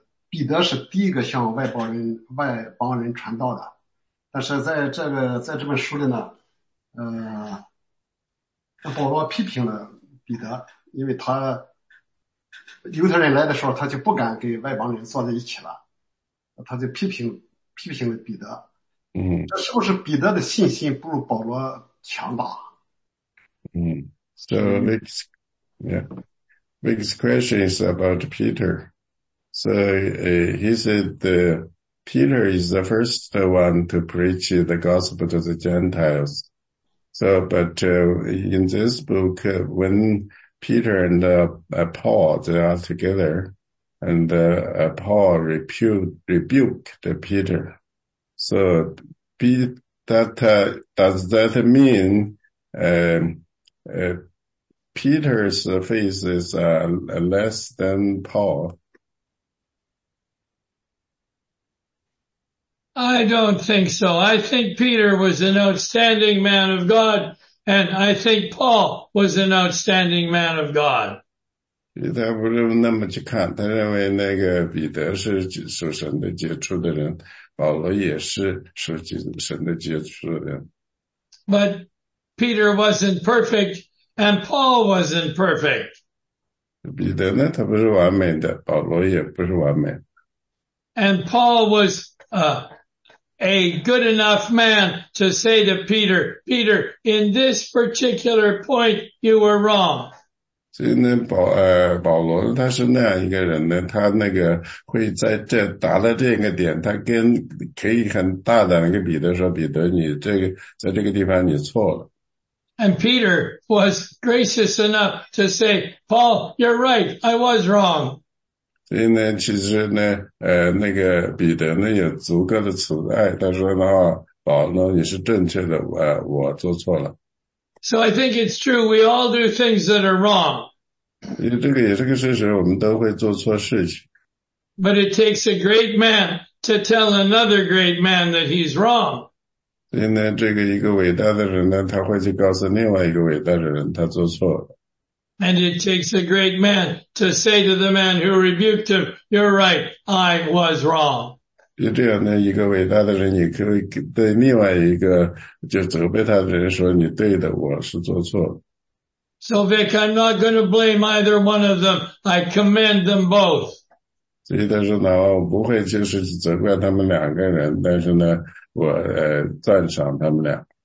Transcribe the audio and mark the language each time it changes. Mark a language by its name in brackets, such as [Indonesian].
[Chinese] 彼得是第一个向外邦人传道的，但是在这本书里呢，保罗批评了彼得，因为他犹太人来的时候，他就不敢跟外邦人坐在一起了，他就批评了彼得。嗯。这是不是彼得的信心不如保罗？ [English] So Nick's question is about Peter. So he said Peter is the first one to preach the gospel to the Gentiles. So, but in this book, when Peter and Paul, they are together, and Paul rebuked Peter. So That does that mean Peter's face is less than Paul. I don't think so. I think Peter was an outstanding man of God, and I think Paul was an outstanding man of God. [Chinese] 他不是那么去看，他认为那个彼得是属神的杰出的人，保罗也是属神的杰出的人。 [English] But Peter wasn't perfect, and Paul wasn't perfect. [Chinese] 彼得呢，他不是完美的，保罗也不是完美。 [English] And Paul was a good enough man to say to Peter, Peter, in this particular point, you were wrong. [Chinese] 所以呢，保罗他是那样一个人呢，他那个会在这达到这个点，他跟可以很大胆的跟彼得说，彼得你这个在这个地方你错了。 [English] And Peter was gracious enough to say, Paul, you're right, I was wrong. [Chinese] 所以呢，其实呢，那个彼得呢有足够的慈爱，他说呢，保罗你是正确的，我做错了。 [English] So I think it's true, we all do things that are wrong. [Chinese] 这个也是个事实，我们都会做错事情。 [English] But it takes a great man to tell another great man that he's wrong. [Chinese] 所以呢，这个一个伟大的人呢，他会去告诉另外一个伟大的人他做错了。 [English] And it takes a great man to say to the man who rebuked him, you're right, I was wrong. [Chinese] 就这样的一个伟大的人，你可以对另外一个就责备他的人说：“你对的，我是做错。” [English] So Vic, I'm not going to blame either one of them. I commend them both. [Chinese] 所以他说呢，我不会就是责怪他们两个人，但是呢，我赞赏他们俩。